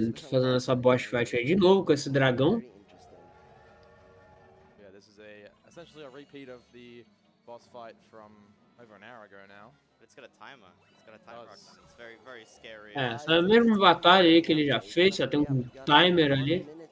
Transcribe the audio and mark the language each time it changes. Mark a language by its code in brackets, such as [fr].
[pt] Fazendo essa boss fight aí de novo com esse dragão. [en] Yeah, this is essentially a repeat of the boss fight from over an hour ago now. It's got a timer. It's very, very scary. [pt] É, essa é a mesma batalha aí que ele já fez, já tem um timer ali.